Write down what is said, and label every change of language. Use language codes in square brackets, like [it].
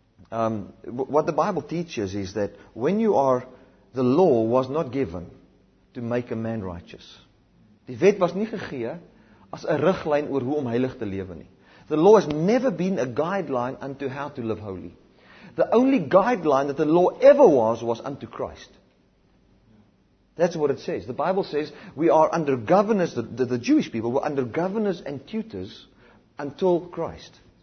[en] What the Bible teaches is that when you are, the law was not given to make a man righteous. [af] Die wet was nie gegee as 'n riglyn oor hoe om heilig te lewe nie. [en] The law has never been a guideline unto how to live holy. The only guideline that the law ever was unto Christ. That's what it says. The Bible says we are under governors, the Jewish people were under governors and tutors until Christ.